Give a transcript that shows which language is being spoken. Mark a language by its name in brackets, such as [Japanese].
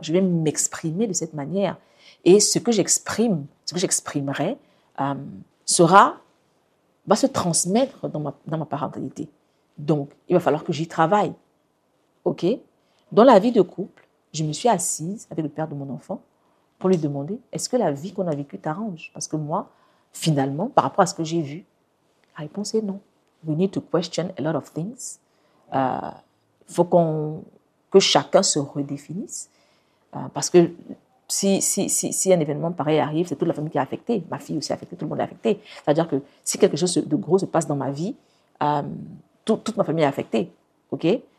[French] Je vais m'exprimer de cette manière. Et ce que j'exprime, ce que j'exprimerai, va se transmettre dans ma parentalité. Donc, il va falloir que j'y travaille. OK? Dans la vie de couple, je me suis assise avec le père de mon enfant pour lui demander, est-ce que la vie qu'on a vécue t'arrange? Parce que moi, finalement, par rapport à ce que j'ai vu, la réponse est non. [English] We need to question a lot of things. [French] Faut que chacun se redéfinisse. Parce que si un événement pareil arrive, c'est toute la famille qui est affectée. Ma fille aussi est affectée, tout le monde est affecté. C'est-à-dire que si quelque chose de gros se passe dans ma vie, toute ma famille est affectée. Okay?